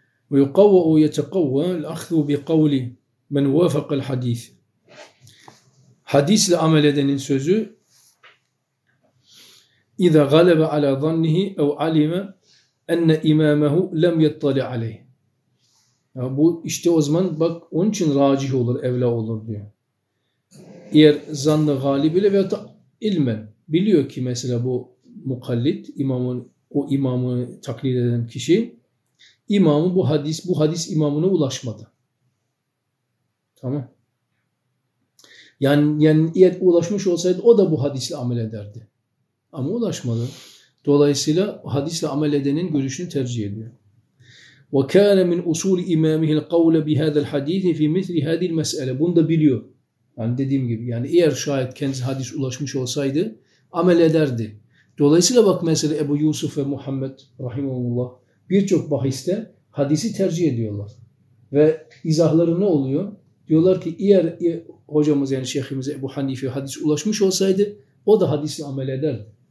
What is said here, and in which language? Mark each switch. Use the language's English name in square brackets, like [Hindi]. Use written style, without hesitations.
[Arabic] وَيُقَوَّعُ يَتَقَوَّى الْأَخْذُ بِقَوْلِ مَنْ وَفَقَ الْحَد۪يثِ [Turkish] Hadisle amel edenin sözü [Arabic] اِذَا غَلَبَ عَلَى ظَنِّهِ اَوْ عَلِمَ اَنَّ اِمَامَهُ لَمْ يَطَّلِ عَلَيْهِ [Turkish] Yani bu işte o zaman bak onun için racih olur, evla olur diyor. Eğer zannı galip ile veyahut da ilmen biliyor ki mesela bu mukallit, imamın, o imamı taklit eden kişi, imamı bu hadis imamına ulaşmadı. Tamam. Yani eğer ulaşmış olsaydı o da bu hadisle amel ederdi. Ama ulaşmadı. Dolayısıyla hadisle amel edenin görüşünü tercih ediyor. [Arabic] وَكَانَ مِنْ اُسُولِ اِمَامِهِ الْقَوْلَ بِهَذَا الْحَد۪يثِ فِي مِثْلِ هَذِي الْمَسْأَلَ [Turkish] Bunu da biliyor. Yani dediğim gibi. Yani eğer şayet kendisi hadis ulaşmış olsaydı amel ederdi. Dolayısıyla bak mesela Ebu Yusuf ve Muhammed rahimahullah birçok bahiste hadisi tercih ediyorlar. Ve izahları ne oluyor? Diyorlar ki eğer hocamız yani şeyhimiz Ebu Hanife hadis ulaşmış olsaydı o da hadisi amel ederdi.